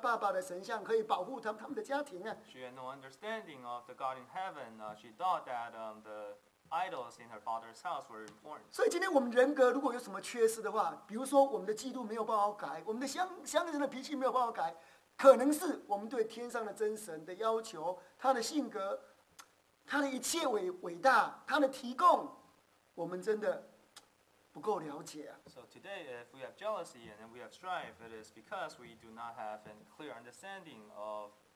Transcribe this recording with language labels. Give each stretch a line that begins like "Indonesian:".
Chinese: 他竟然偷了爸爸的神像，他对天上的神根本没有了解，他甚至觉得爸爸的神像可以保护他们的家庭啊。
English: She had no understanding of the God in heaven. She thought that the idols in her father's house were important.
Chinese: 所以今天我们人格如果有什么缺失的话，比如说我们的嫉妒没有办法改，我们的相人的脾气没有办法改，可能是我们对天上的真神的要求，他的性格，他的一切伟大，他的提供，我们真的不够了解。So
English: today, if we have jealousy and we have strife, it is because we do not have a clear understanding of.